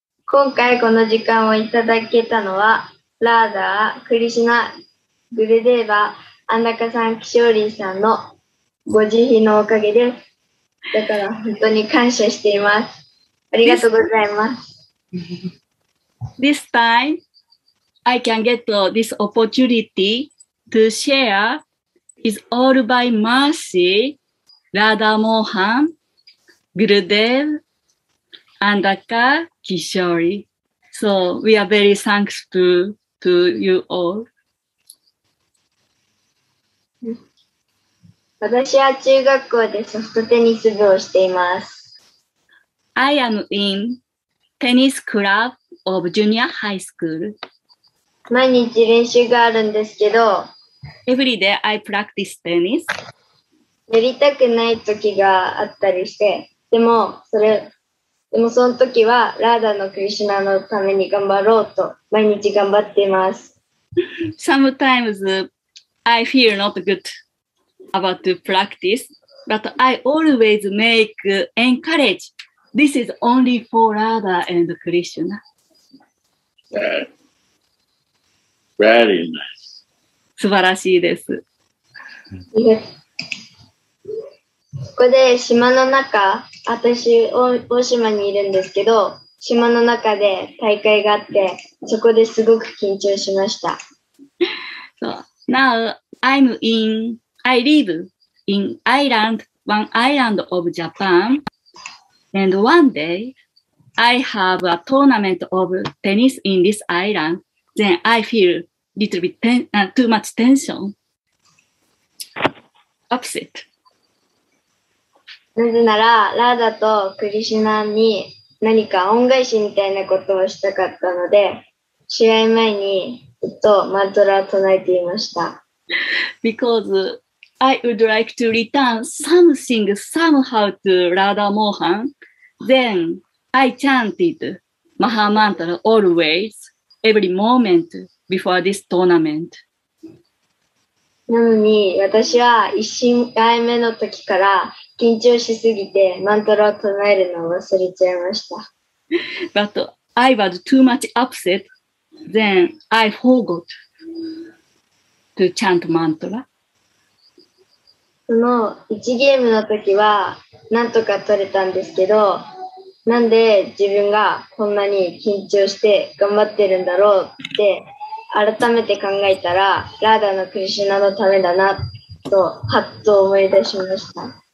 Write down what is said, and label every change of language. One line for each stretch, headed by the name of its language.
Japanese: 今回この時間をいただけたのは、ラーダー、クリシナ、グルデーバ、安中さん、希少林さんのご慈悲のおかげです。だから本当に感謝しています。ありがとうございます。
English: This time, I can get this opportunity to share is all by mercy, Radha Mohan, Gurudev, Andaka, Kishori. So we are very thankful to you all.
Japanese: 私は中学校でソフトテニス部をしています。
English: I am in tennis club of junior high school.
Japanese: 毎日練習があるんですけど、
English: Every day I practice tennis.
Japanese: やりたくない時があったりして、でもその時はラーダのクリシュナのために頑張ろうと毎日頑張っています。
English: Sometimes I feel not good. About to practice, but I always make encourage. This is only for Radha and Krishna. Very nice.
Japanese: 素晴らしいです。ここで島の中、私大島にいるんですけど、島の中で大会があって、そこですごく緊張しました。
English: So now I'm in, I live in island, one island of Japan. And one day I have a tournament of tennis in this island. Then I feel little bit too much tension. Upset.
Japanese: なぜなら、ラーダとクリシナに何か恩返しみたいなことをしたかったので、試合前にずっとマントラを唱えていました。
English: Because I would like to return something somehow to Radha Mohan, then I chanted Maha Mantra always, every moment before this tournament.
Japanese: なのに私は一試合目の時から緊張しすぎてマントラを唱えるのを忘れちゃいました。
English: But I was too much upset, then I forgot to chant mantra.
Japanese: その1ゲームの時はなんとか取れたんですけど、なんで自分がこんなに緊張して頑張ってるんだろうって改めて考えたら、ラーダのクリシュナのためだなとハッと思い出しました。